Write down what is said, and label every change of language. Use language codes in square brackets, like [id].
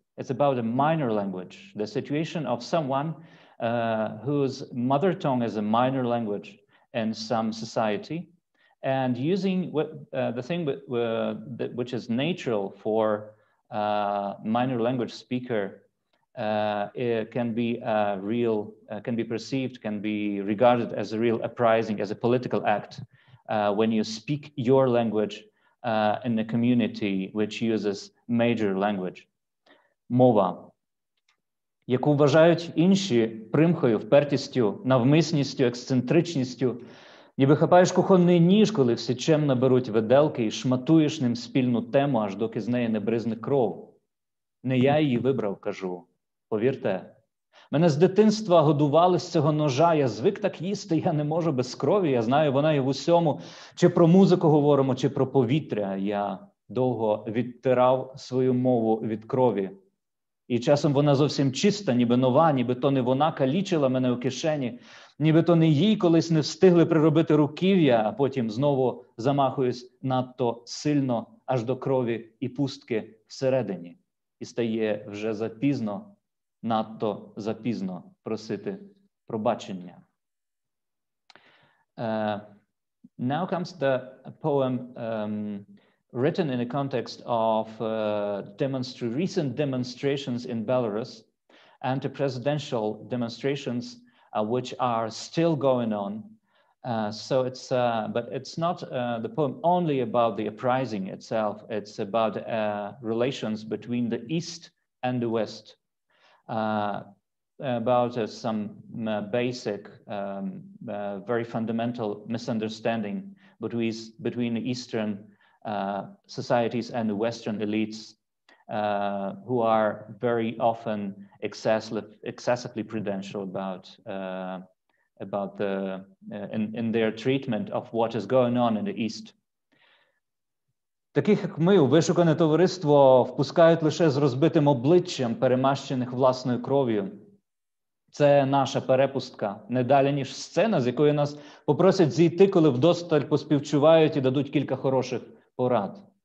[en] It's about a minor language, the situation of someone whose mother tongue is a minor language in some society, and using which is natural for a minor language speaker. It can be regarded as a real uprising, as a political act, when you speak your language in a community which uses major language. [uk] Мова, яку вважають інші примхою, впертістю, навмисністю, ексцентричністю, ніби хапаєш кухонний ніж, коли всі чемно беруть виделки і шматуєш ним спільну тему, аж доки з неї не бризне кров. Не я її вибрав, кажу. Повірте, мене з дитинства годували з цього ножа, я звик так їсти, я не можу без крові, я знаю, вона є в усьому. Чи про музику говоримо, чи про повітря, я довго відтирав свою мову від крові. І часом вона зовсім чиста, ніби нова, ніби то не вона калічила мене у кишені, ніби то не їй колись не встигли приробити руків'я, а потім знову замахуюсь надто сильно, аж до крові і пустки всередині. І стає вже запізно. Надто запізно просити пробачення. [en] Now comes the poem written in the context of recent demonstrations in Belarus and the presidential demonstrations which are still going on. The poem only about the uprising itself. It's about relations between the East and the West. Very fundamental misunderstanding between the Eastern societies and the Western elites, who are very often excessively prudential about their treatment of what is going on in the East. [uk] Таких, як ми, у вишукане товариство впускають лише з розбитим обличчям, перемащених власною кров'ю. Це наша перепустка, не далі, ніж сцена, з якої нас попросять зійти, коли вдосталь поспівчувають і дадуть кілька хороших порад.